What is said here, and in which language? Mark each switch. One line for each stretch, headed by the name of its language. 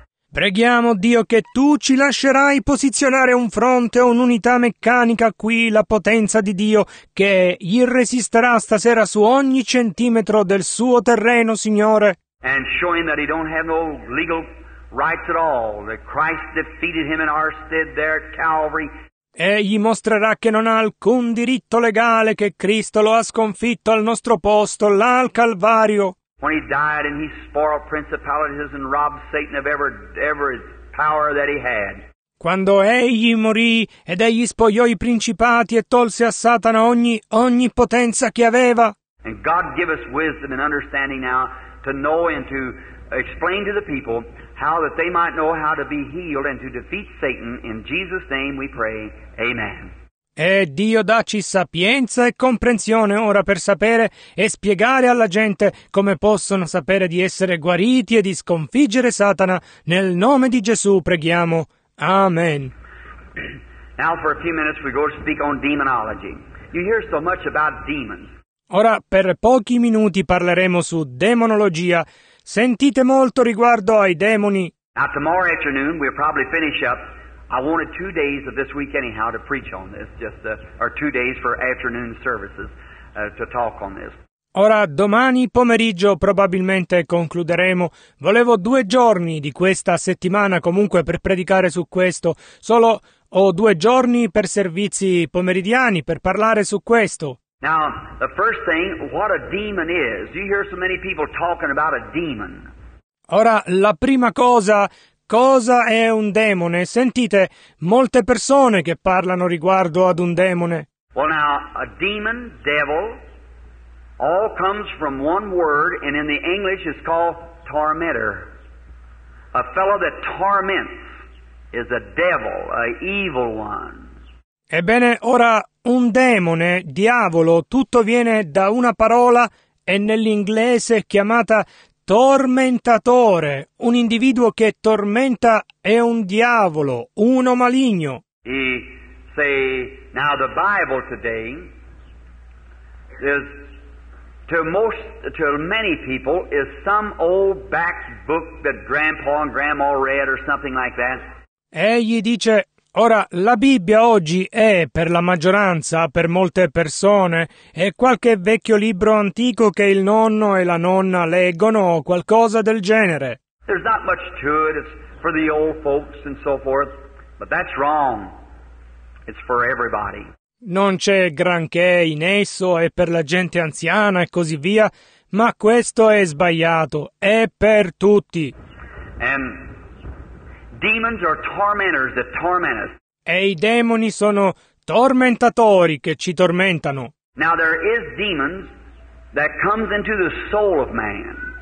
Italian: Preghiamo Dio che tu ci lascerai posizionare un fronte o un'unità meccanica qui, la potenza di Dio, che irresisterà stasera su ogni centimetro del suo terreno, Signore.
English: And show him that he don't have no legal rights at all, that Christ defeated him in our stead there at Calvary.
Italian: Egli mostrerà che non ha alcun diritto legale, che Cristo lo ha sconfitto al nostro posto, là al Calvario.
English: When he died and he spoiled principalities and robbed Satan of every power that he had.
Italian: Quando egli morì ed egli spogliò i principati e tolse a Satana ogni potenza che aveva.
English: And God give us wisdom and understanding now to know and to explain to the people how that they might know how to be healed and to defeat Satan. In Jesus' name we pray. Amen.
Italian: E Dio dacci sapienza e comprensione ora per sapere e spiegare alla gente come possono sapere di essere guariti e di sconfiggere Satana. Nel nome di Gesù preghiamo. Amen.
English: Now for a few minutes we go to speak on demonology. You hear so much about demons.
Italian: Ora per pochi minuti parleremo su demonologia. Sentite molto riguardo ai demoni.
English: Now tomorrow afternoon we'll probably finish up. I wanted 2 days of this week anyhow to preach on this, or 2 days for afternoon services to talk on this.
Italian: Ora domani pomeriggio probabilmente concluderemo. Volevo 2 giorni di questa settimana comunque per predicare su questo. Solo ho 2 giorni per servizi pomeridiani per parlare su questo.
English: Now, the first thing, what a demon is. You hear so many people talking about a demon.
Italian: Ora, la prima cosa, cosa è un demone? Sentite, molte persone che parlano riguardo ad un demone.
English: Well now, a demon, devil, all comes from one word, and in the English it's called tormentor. A fellow that torments is a devil, a evil one.
Italian: Ebbene, ora, un demone, diavolo, tutto viene da una parola e nell'inglese chiamata tormentatore. Un individuo che tormenta è un diavolo, uno maligno.
English: He say, now the Bible today is to many people is some old back book that grandpa and grandma read or something like that.
Italian: Egli dice, ora, la Bibbia oggi è, per la maggioranza, per molte persone, è qualche vecchio libro antico che il nonno e la nonna leggono o qualcosa del genere.
English: There's not much to it, it's for the old folks and so forth, but that's wrong. It's for everybody.
Italian: Non c'è granché in esso, è per la gente anziana e così via, ma questo è sbagliato, è per tutti.
English: And demons are tormentors that torment us.
Italian: E i demoni sono tormentatori che ci tormentano.
English: Now there is demons that comes into the soul of man.